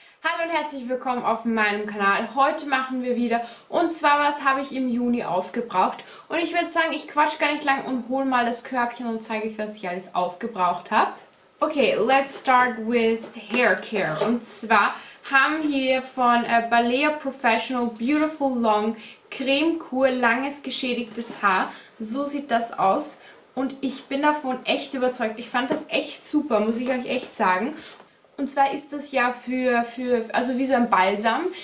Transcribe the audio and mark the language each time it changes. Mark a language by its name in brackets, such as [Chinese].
[German] Hallo und herzlich willkommen auf meinem Kanal. Heute machen wir wieder, und zwar, was habe ich im Juni aufgebraucht? Und ich würde sagen, ich quatsch gar nicht lang und hole mal das Körbchen und zeige euch, was ich alles aufgebraucht habe. [English] Okay, let's start with hair care. [German] Und zwar haben wir von Balea Professional Beautiful Long Creme Cure langes geschädigtes Haar. So sieht das aus. Und ich bin davon echt überzeugt. Ich fand das echt super, muss ich euch echt sagen. Und zwar ist das ja also wie so ein Balsam.